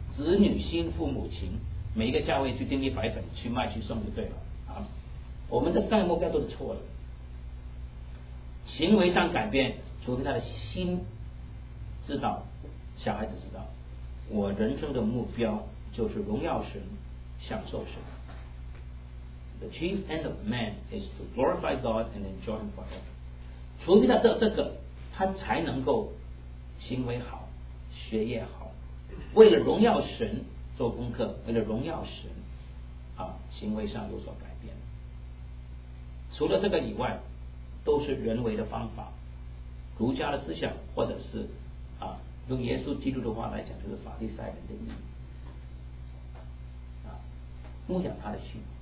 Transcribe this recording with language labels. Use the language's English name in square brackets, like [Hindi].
[Chinese] 子女信父母亲，每一个教会去订100本去卖去送就对了啊。我们的三个目标都是错的，行为上改变，除非他的心知道，小孩子知道我人生的目标就是荣耀神享受神。 [English] The chief end of man is to glorify God and enjoy Him forever. [Chinese] 除非他这个，他才能够行为好，学业好，为了荣耀神做功课，为了荣耀神啊，行为上有所改变。除了这个以外，都是人为的方法，儒家的思想，或者是啊，用耶稣基督的话来讲，就是法利赛人的意义啊，牧养他的心。